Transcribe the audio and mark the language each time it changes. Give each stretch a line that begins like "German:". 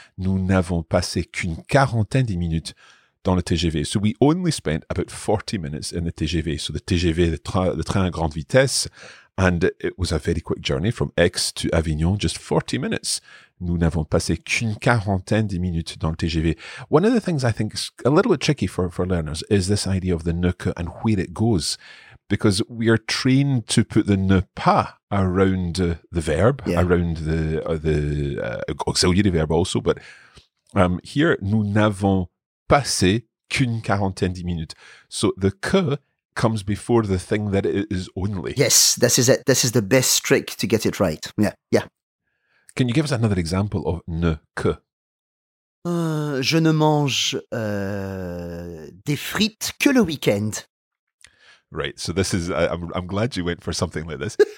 French: Nous n'avons passé qu'une quarantaine de minutes dans le TGV.
English: So we only spent about 40 minutes in the TGV. So the TGV, the
French: train à grande vitesse.
English: And it was a very quick journey from Aix to Avignon, just 40 minutes.
French: Nous n'avons passé qu'une quarantaine de minutes dans le TGV.
English: One of the things I think is a little bit tricky for learners is this idea of the ne que and where it goes. Because we are trained to put the ne pas around the verb, yeah. Around the auxiliary verb also. But here,
French: nous n'avons passé qu'une quarantaine de minutes.
English: So the que comes before the thing that it is only. Yes, this is it. This is the best trick to get it right. Yeah, yeah. Can you give us another example of ne que?
French: Je ne mange des frites que le week-end.
English: Right, so this is, I'm glad you went for something like this.